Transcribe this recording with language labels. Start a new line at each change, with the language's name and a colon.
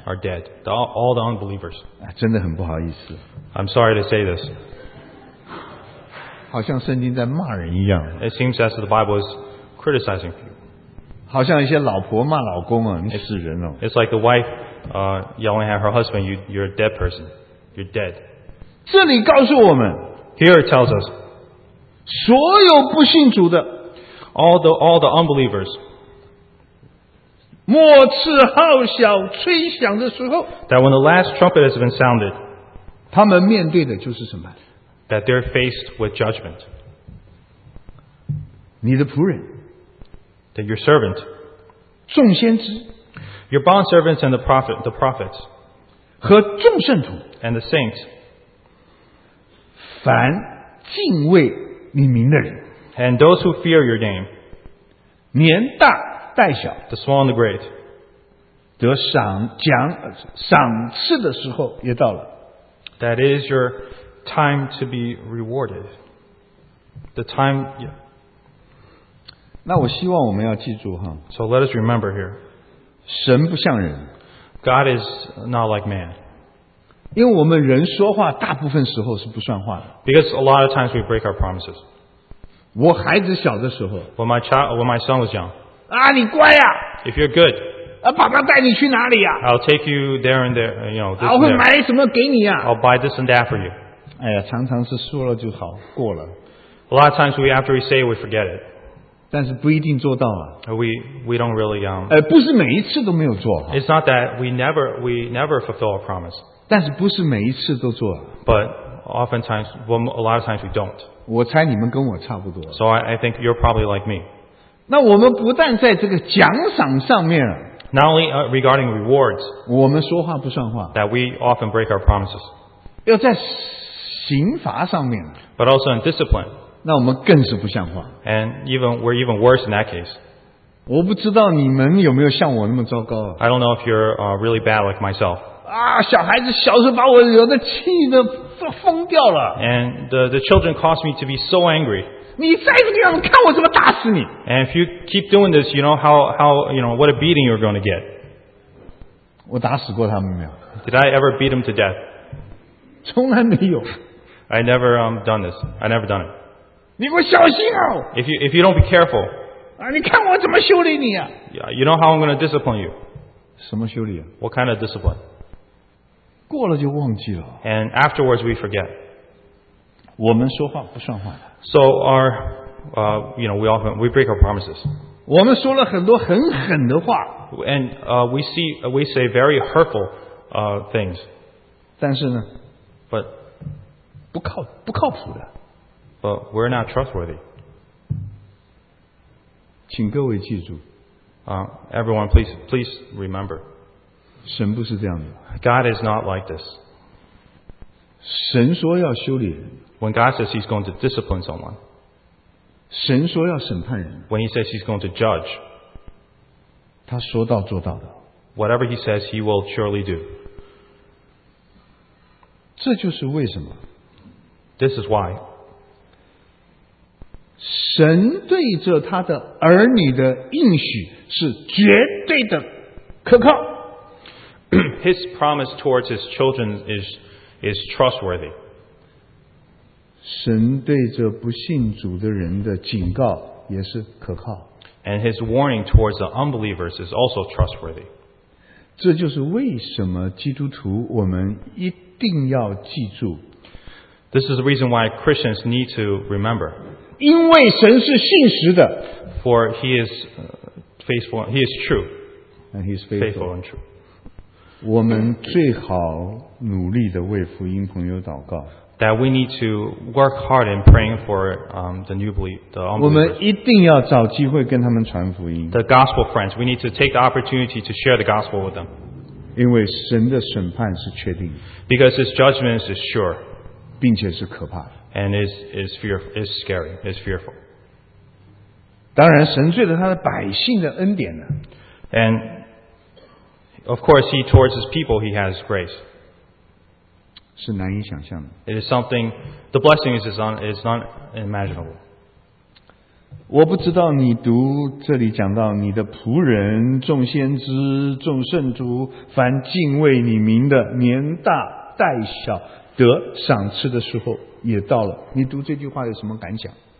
English: are dead, all the unbelievers.
Chinese: 真的很不好意思。
English: I'm sorry to say this.
Chinese: 好像圣经在骂人一样。
English: It seems as the Bible is criticizing people.
Chinese: 好像一些老婆骂老公啊，你死人哦。
English: It's like the wife yelling at her husband, "You're a dead person. You're dead."
Chinese: 这里告诉我们。
English: Here it tells us.
Chinese: 所有不信主的。
English: All the unbelievers.
Chinese: 末次号角吹响的时候。
English: That when the last trumpet has been sounded.
Chinese: 他们面对的就是什么？
English: That they're faced with judgment.
Chinese: 你的仆人
English: that your servant,
Chinese: 众先知
English: your bond servants and the prophets,
Chinese: 和众圣徒
English: and the saints,
Chinese: 凡敬畏你名的人
English: and those who fear your name,
Chinese: 年大代小
English: the small and the great,
Chinese: 得赏赐的时候也到了
English: that is your time to be rewarded, the time, yeah.
Chinese: 那我希望我们要记住哈。
English: So let us remember here.
Chinese: 神不像人。
English: God is not like man.
Chinese: 因为我们人说话大部分时候是不算话的。
English: Because a lot of times we break our promises.
Chinese: 我孩子小的时候。
English: When my son was young.
Chinese: 啊你乖啊。
English: If you're good.
Chinese: 啊爸爸带你去哪里啊。
English: I'll take you there and there, you know, this and there.
Chinese: 我会买什么给你啊。
English: I'll buy this and that for you.
Chinese: 哎呀常常是说了就好过了。
English: A lot of times after we say it, we forget it.
Chinese: 但是不一定做到啊。
English: We don't really young.
Chinese: 不是每一次都没有做。
English: It's not that we never fulfill our promise.
Chinese: 但是不是每一次都做。
English: But oftentimes, a lot of times we don't.
Chinese: 我猜你们跟我差不多。
English: So I think you're probably like me.
Chinese: 那我们不但在这个奖赏上面。
English: Not only regarding rewards.
Chinese: 我们说话不算话。
English: That we often break our promises.
Chinese: 要在刑罚上面。
English: But also in discipline.
Chinese: 那我们更是不像话。
English: And we're even worse in that case.
Chinese: 我不知道你们有没有像我那么糟糕。
English: I don't know if you're really bad like myself.
Chinese: 啊，小孩子小时候把我惹得气得疯掉了。
English: And the children caused me to be so angry.
Chinese: 你再这个样子，看我怎么打死你。
English: And if you keep doing this, you know how what a beating you're going to get.
Chinese: 我打死过他们没有
English: ？Did I ever beat them to death?
Chinese: 从来没有。
English: I never done this. I never done it.
Chinese: 你给我小心哦
English: if you don't be careful,
Chinese: 啊，你看我怎么修理你啊
English: yeah, You know how I'm going to discipline you.
Chinese: 什么修理啊
English: What kind of discipline?
Chinese: 过了就忘记了
English: And afterwards we forget.
Chinese: 我们说话不算话的
English: So our,you know, we break our promises.
Chinese: 我们说了很多很狠的话
English: And we say very hurtful things.
Chinese: 但是呢
English: But
Chinese: 不靠谱的
English: But we're not trustworthy.
Chinese: 请各位记住。
English: Everyone, please remember.
Chinese: 神不是这样的。
English: God is not like this.
Chinese: 神说要修理人。
English: When God says he's going to discipline someone.
Chinese: 神说要审判人。
English: When he says he's going to judge.
Chinese: 他说到做到的。
English: Whatever he says, he will surely do.
Chinese: 这就是为什么。
English: This is why.
Chinese: 神对着他的儿女的应许是绝对的可靠。
English: His promise towards his children is trustworthy.
Chinese: 神对着不信主的人的警告也是可靠。
English: And his warning towards the unbelievers is also trustworthy.
Chinese: 这就是为什么基督徒我们一定要记住。
English: This is the reason why Christians need to remember.
Chinese: 因为神是信实的
English: For he is faithful, he is true, and he is faithful and true.
Chinese: 我们最好努力地为福音朋友祷告
English: That we need to work hard in praying for the new believers.
Chinese: 我们一定要找机会跟他们传福音
English: The gospel friends, we need to take the opportunity to share the gospel with them.
Chinese: 因为神的审判是确定
English: Because his judgment is sure,
Chinese: 并且是可怕的。
English: And is fearful, is scary, is fearful.
Chinese: 当然神对着他的百姓的恩典呢。
English: And of course, he towards his people, he has grace.
Chinese: 是难以想象的。
English: It is something, the blessing is not imaginable.
Chinese: 我不知道你读这里讲到你的仆人、众先知、众圣徒、凡敬畏你名的、年大代小、得赏赐的时候。也到了，你读这句话有什么感想